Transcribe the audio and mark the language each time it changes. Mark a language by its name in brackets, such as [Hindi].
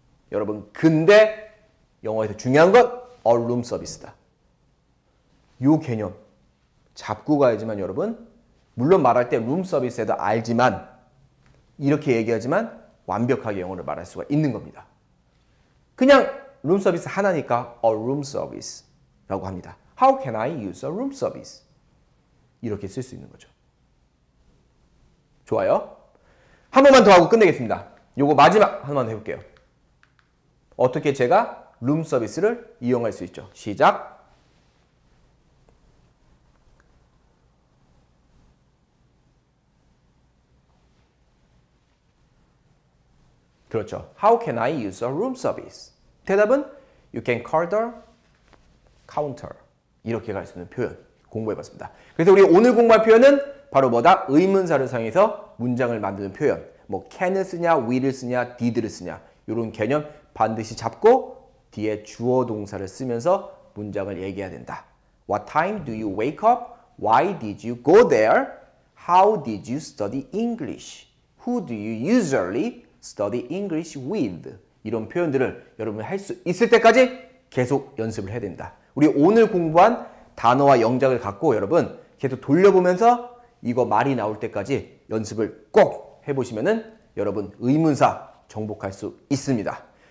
[Korean] 여러분, 근데 영어에서 중요한 건 a room service다. 이 개념 잡고 가야지만 여러분, 물론 말할 때 room service에도 알지만 이렇게 얘기하지만 완벽하게 영어를 말할 수가 있는 겁니다. 그냥 room service 하나니까 a room service라고 합니다. [English] How can I use a room service? [Korean] 이렇게 쓸 수 있는 거죠. 좋아요. 한 번만 더 하고 끝내겠습니다. 요거 마지막 하나만 해볼게요. 어떻게 제가 룸 서비스를 이용할 수 있죠? 시작! 그렇죠. [English] How can I use a room service? [Korean] 대답은 [English] You can call the counter. [Korean] 이렇게 갈 수 있는 표현 공부해봤습니다. 그래서 우리 오늘 공부할 표현은 바로 뭐다? 의문사를 사용해서 문장을 만드는 표현. 뭐 can을 쓰냐, will을 쓰냐, did를 쓰냐 이런 개념 반드시 잡고 뒤에 주어 동사를 쓰면서 문장을 얘기해야 된다. [English] What time do you wake up? Why did you go there? How did you study English? Who do you usually study English with? [Korean] 이런 표현들을 여러분이 할 수 있을 때까지 계속 연습을 해야 된다. 우리 오늘 공부한 단어와 영작을 갖고 여러분 계속 돌려보면서 이거 말이 나올 때까지 연습을 꼭 해보시면은 여러분 의문사 정복할 수 있습니다.